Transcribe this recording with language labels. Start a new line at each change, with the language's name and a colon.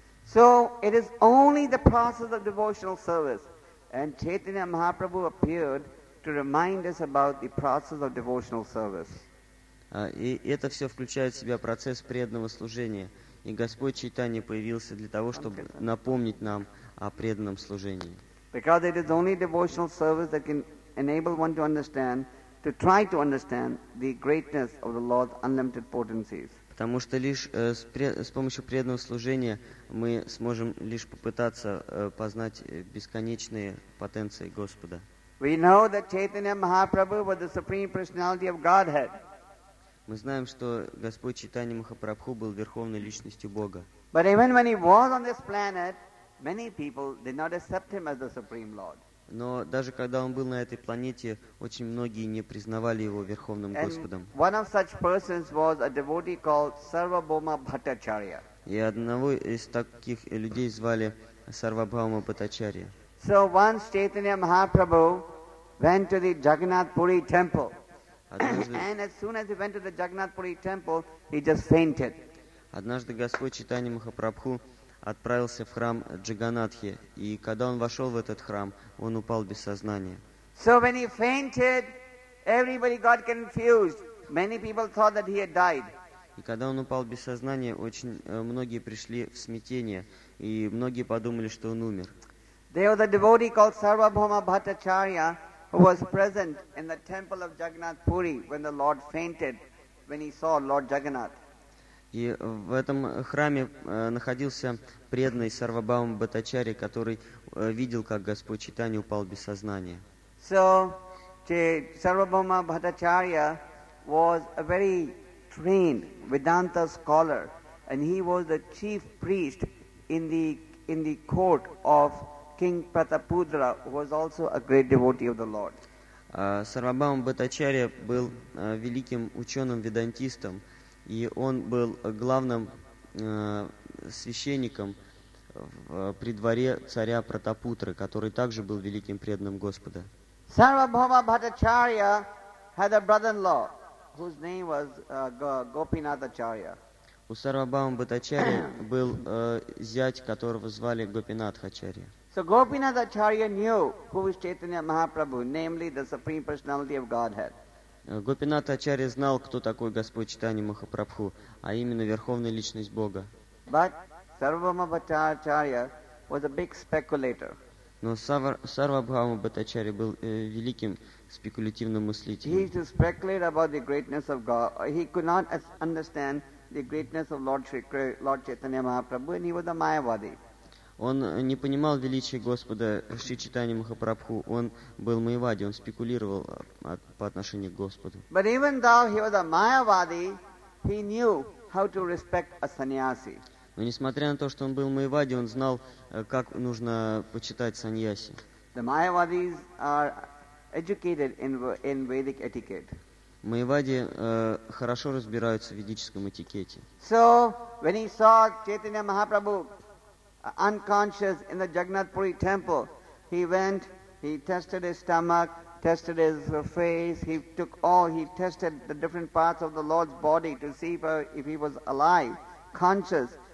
English: So it is only the process of devotional service, and Chaitanya Mahaprabhu appeared to remind us about the process of devotional service.
Russian: И это все включает в себя процесс преданного служения. И Господь Чайтанья появился для того, чтобы напомнить нам о преданном служении.
English: Because it is only devotional service that can enable one to understand, to try to understand the greatness of the Lord's unlimited potencies.
Russian: Потому что лишь с помощью преданного служения мы сможем лишь попытаться познать бесконечные потенции Господа.
English: We know that Chaitanya Mahaprabhu was the Supreme Personality of Godhead.
Russian: Мы знаем, что Господь Чайтанья Махапрабху был верховной личностью Бога.
English: But even when he was on this planet, many people did not accept him as the Supreme Lord.
Russian: Но даже когда он был на этой планете, очень многие не признавали его верховным Господом.
English: And one of such persons was a devotee called Sarvabhauma Bhattacharya.
Russian: И одного из таких людей звали Сарвабхаума Бхаттачарья.
English: So once Chaitanya Mahaprabhu went to the Jagannath Puri temple. And as soon as he went to the Jagannath Puri temple, he just fainted.
Russian: Однажды Господь Чайтанья Махапрабху отправился в храм Джаганатхи, и когда он вошел в этот храм, он упал без сознания.
English: So when he fainted, everybody got confused. Many people thought that he had died.
Russian: И когда он упал без сознания, очень многие пришли в смятение, и многие подумали, что он умер.
English: There was a devotee called Sarvabhauma Bhattacharya who was present in the temple of Jagannath Puri when the Lord fainted, when he saw Lord Jagannath.
Russian: И в этом храме находился преданный Сарвабхаума Бхаттачарья, который видел, как Господь Чайтанья упал без сознания.
English: So, Sarvabhauma Bhattacharya was a very trained Vedanta scholar, and he was the chief priest in the court of King Pratapudra, who was also a great devotee of the Lord.
Russian: Сарвабхаума Бхаттачарья был великим ученым-ведантистом, и он был главным священником при дворе царя Пратапутры, который также был великим преданным Господа.
English: Sarvabhauma Bhattacharya had a brother-in-law, whose name was Gopinathacharya.
Russian: У Сарвабхаума Бхаттачарья был зять, которого звали Гопинатхачарья.
English: So Gopinathacharya knew who was Chaitanya Mahaprabhu, namely the Supreme Personality of Godhead.
Russian: Гопинатхачарья знал, кто такой Господь Чайтанья Махапрабху, а именно Верховная Личность Бога.
English: But Sarvabhauma Bhattacharya was a big speculator.
Russian: Но Сарвабхаума Бхаттачарья был великим спекулятивным мыслителем.
English: He used to speculate about the greatness of God. He could not understand the greatness of Lord Chaitanya Mahaprabhu, and he was a Mayavadi.
Russian: Он не понимал величия Господа Шри Чайтанья Махапрабху. Он был майявади, он спекулировал по отношению к Господу.
English: But even though he was a Mayavadi, he knew how to respect a sannyasi.
Russian: Но несмотря на то, что он был майявади, он знал, как нужно почитать саньяси.
English: The Mayavadis are educated in Vedic etiquette.
Russian: Майявади хорошо разбираются в ведическом этикете.
English: So when he saw Chaitanya Mahaprabhu unconscious in the Jagannath Puri temple, he went, he tested his stomach, tested his face, he tested the different parts of the Lord's body to see if he was alive, conscious.